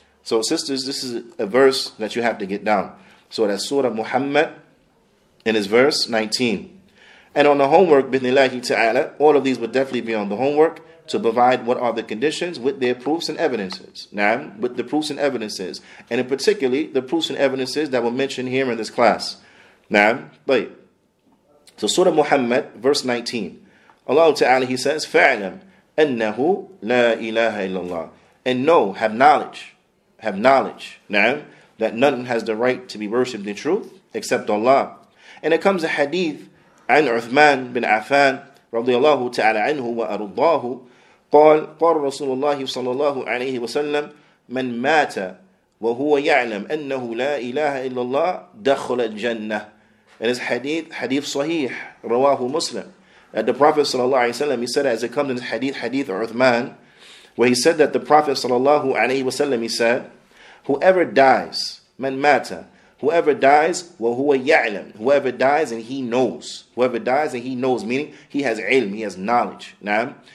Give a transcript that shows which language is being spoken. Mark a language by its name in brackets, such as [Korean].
[English] So sisters, this is a verse that you have to get down. So that's Surah Muhammad and is verse 19. And on the homework, bithnillahi ta'ala, all of these would definitely be on the homework to provide what are the conditions with their proofs and evidences. Now, with the proofs and evidences. And in particularly, the proofs and evidences that were mentioned here in this class. Now, but so Surah Muhammad, verse 19. Allah Ta'ala, he says, [Arabic] فَعْلَمْ أَنَّهُ لَا إِلَهَ إِلَّا اللَّهِ. [English] And know, have knowledge. Have knowledge. Na'am? That none has the right to be worshipped in truth except Allah. [Arabic] And it comes a hadith, عن عثمان بن عفان رضي الله تعالى عنه وأرضاه قال قال رسول الله صلى الله عليه وسلم من مات وهو يعلم أنه لا إله إلا الله دخل الجنة. [English] And it's hadith [Arabic] صحيح رواه مسلم. [English] That the Prophet sallallahu alaihi wasallam, he said, as it comes in hadith Uthman, where he said that the Prophet sallallahu alaihi wasallam, he said, whoever dies, man mata, whoever dies, wa huwa ya'lam, whoever dies and he knows, whoever dies and he knows, meaning he has ilm, he has knowledge. Na'am?